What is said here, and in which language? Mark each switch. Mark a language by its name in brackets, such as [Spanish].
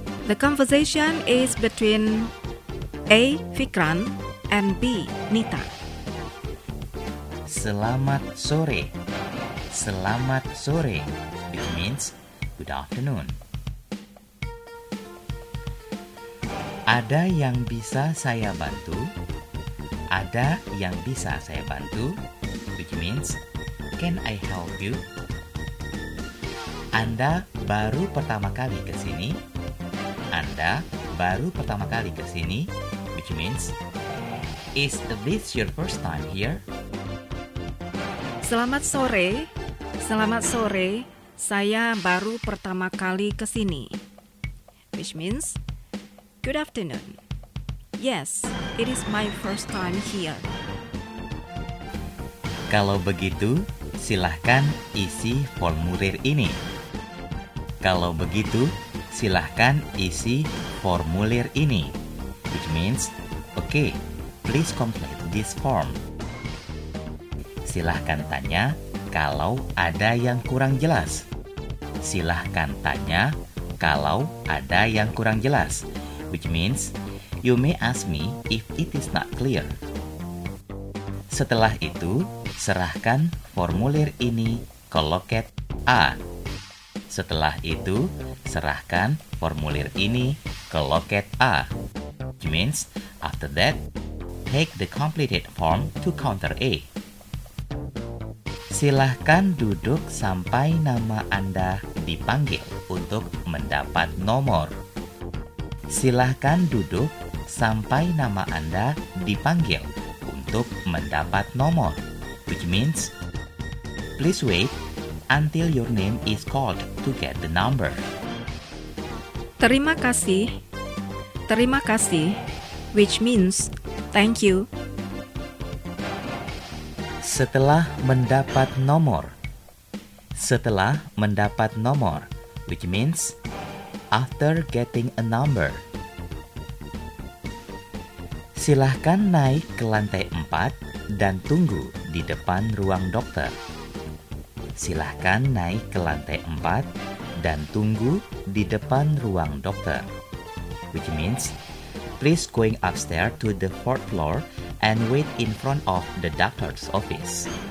[English] The conversation is between A. Fikran and B. Nita. [Indonesian] Selamat sore. Selamat sore, [English] which means good afternoon. [Indonesian] Ada yang bisa saya bantu? Ada yang bisa saya bantu, [English] which means can I help you? [Indonesian] Anda baru pertama kali ke sini? Anda baru pertama kali ke sini, [English] which means is this your first time here? [Indonesian] Selamat sore. Selamat sore. Saya baru pertama kali ke sini. [English] Which means good afternoon. Yes, it is my first time here. [Indonesian] Kalau begitu, silahkan isi formulir ini. Kalau begitu, silahkan isi formulir ini. [English] Which means, okay, please complete this form. [Indonesian] Silahkan tanya kalau ada yang kurang jelas. Silahkan tanya kalau ada yang kurang jelas. [English] Which means, you may ask me if it is not clear. [Indonesian] Setelah itu, serahkan formulir ini ke loket A. Setelah itu, serahkan formulir ini ke loket A. [English] Which means, after that, take the completed form to counter A. [Indonesian] Silahkan duduk sampai nama Anda dipanggil untuk mendapat nomor. Silahkan duduk sampai nama Anda dipanggil untuk mendapat nomor, [English] which means please wait until your name is called to get the number. [Indonesian] Terima kasih. Terima kasih, [English] which means thank you. [Indonesian] Setelah mendapat nomor. Setelah mendapat nomor, [English] which means after getting a number. [Indonesian] Silahkan naik ke lantai 4 dan tunggu di depan ruang dokter. Silahkan naik ke lantai 4 dan tunggu di depan ruang dokter. [English] Which means, please going upstairs to the 4th floor and wait in front of the doctor's office.